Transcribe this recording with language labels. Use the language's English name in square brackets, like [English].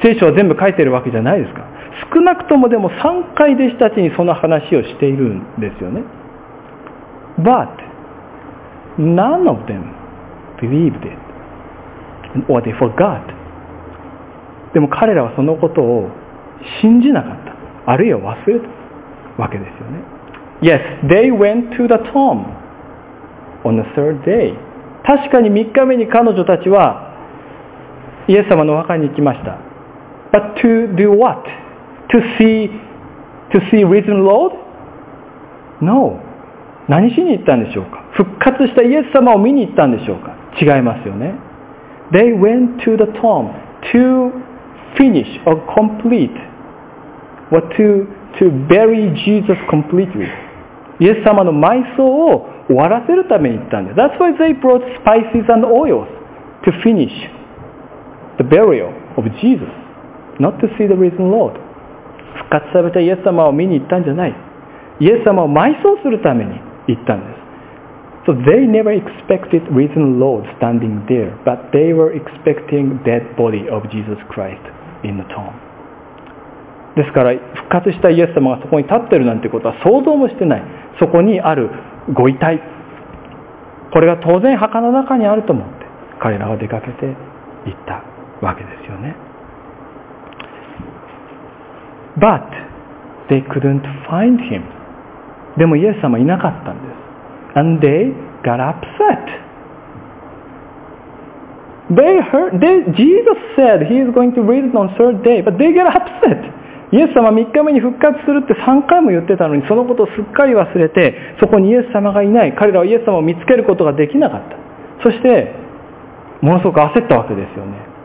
[Japanese] 聖書は全部書いてるわけじゃないですか。少なくともでも3回弟子たちにその話をしているんですよね。 [English] But none of them believed it, or they forgot. [Japanese] でも彼らはそのことを信じなかった、あるいは忘れたわけですよね。 [English] Yes, they went to the tomb on the third day. [Japanese] 確かに3日目に彼女たちはイエス様のお墓に行きました。 [English] But to do what? To see risen Lord? No. [Japanese] 何しに行ったんでしょうか。復活したイエス様を見に行ったんでしょうか。違いますよね。 [English] They went to the tomb to finish or complete or to bury Jesus completely. [Japanese] イエス様の埋葬を終わらせるために行ったんです。 [English] That's why they brought spices and oils to finish the burial of Jesus, not to see the risen Lord. [Japanese] 復活されたイエス様を見に行ったんじゃない。イエス様を埋葬するために。言ったんです。 [English] So they never expected risen Lord standing there, but they were expecting dead body of Jesus Christ in the tomb. [Japanese] ですから復活したイエス様がそこに立ってるなんてことは想像もしてない。そこにあるご遺体、これが当然墓の中にあると思って彼らは出かけて行ったわけですよね。 [English] But they couldn't find him. [Japanese] でもイエス様はいなかったんです。 [English] And they got upset. They heard, Jesus said he is going to raise on third day, but they got upset. [Japanese] イエス様は3日目に復活するって3回も言ってたのに、そのことをすっかり忘れて、そこにイエス様がいない。彼らはイエス様を見つけることができなかった。そして、ものすごく焦ったわけですよね。